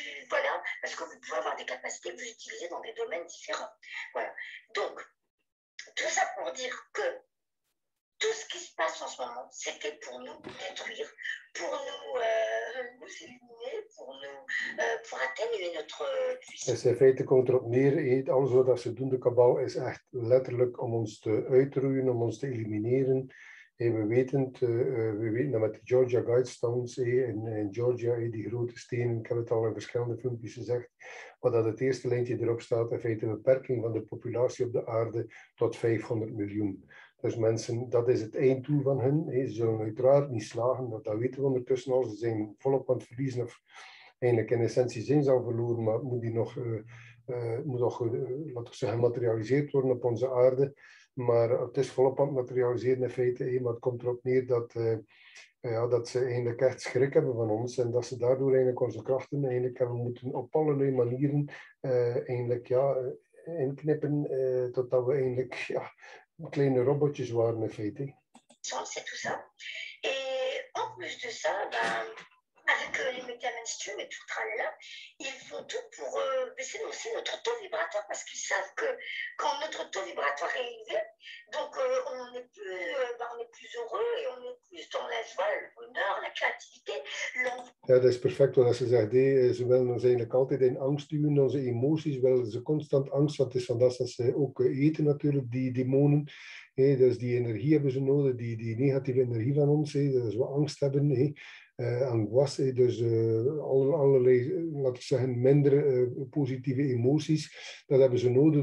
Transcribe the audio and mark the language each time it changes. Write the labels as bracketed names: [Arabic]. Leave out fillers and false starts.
[French] Voilà, parce que vous pouvez avoir des capacités que vous utilisez dans des domaines différents. Voilà. Donc, tout ça pour dire que tout ce qui se passe en ce moment, c'était pour nous détruire, pour nous éliminer, pour atténuer notre puissance. C'est fait contre nous. Et [Dutch] alles wat ze doen, de cabal, is echt letterlijk om ons te uitroeien, om ons te elimineren. Hey, we weten dat met de Georgia Guidestones hey, in Georgia, hey, die grote stenen, ik heb het al in verschillende filmpjes gezegd, maar dat het eerste lijntje erop staat, in feite de beperking van de populatie op de aarde tot 500 miljoen. Dus mensen, dat is het einddoel van hun. Hey, ze zullen uiteraard niet slagen, want dat weten we ondertussen al. Ze zijn volop aan het verliezen of eigenlijk in essentie zijn ze al verloren, maar moet die nog, laten we zeggen, gematerialiseerd worden op onze aarde. Maar het is volop aan het materialiseren in feite. Hey, maar het komt erop neer dat, ja, dat ze eigenlijk echt schrik hebben van ons. En dat ze daardoor eigenlijk onze krachten eigenlijk hebben moeten op allerlei manieren eigenlijk, ja, inknippen. Totdat we eigenlijk ja, kleine robotjes waren in feite. [French] Hey. C'est tout ça. Et en plus de ça, bah, avec les médias mainstream et tout le tralala, ils font tout pour baisser aussi notre taux vibratoire parce qu'ils savent que quand notre taux vibratoire est élevé, donc on est plus heureux et on est plus dans la joie, le bonheur, la créativité, l'envie. [Dutch] Ja, dat is perfect wat ze zegt. Ze willen ons eigenlijk altijd in angst duwen. Onze emoties willen ze constant angst. Dat is vandaar dat ze ook eten natuurlijk, die demonen. Hey, dus die energie hebben ze nodig, die negatieve energie van ons. Hey, dat is wat angst hebben. Hey. Angst, hey. Dus allerlei, laat ik zeggen, minder positieve emoties. Dat hebben ze nodig.